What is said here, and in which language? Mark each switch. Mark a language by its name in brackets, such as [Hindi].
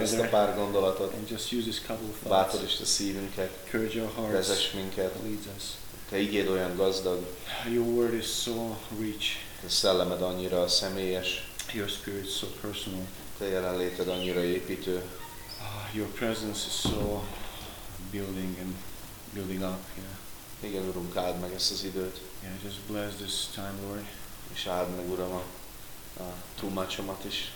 [Hungarian] Ezt a pár gondolatot. [English] And just use this couple of thoughts. [Hungarian] Bátorítsd a szívünket. [English] Encourage our hearts. [Hungarian] Vezess minket. [English] Lead us. [Hungarian] Te igéd olyan gazdag. [English] Your word is so rich. [Hungarian] Te szellemed annyira személyes. [English] Your spirit is so personal. [Hungarian] Te jelenléted annyira építő. [English] Your presence is so building and building up. Yeah. [Hungarian] Igen, Urunk, áld meg ezt az időt. [English] Yeah, just bless this time, Lord. [Hungarian] És áld meg, Uram, a tulmácsomat is.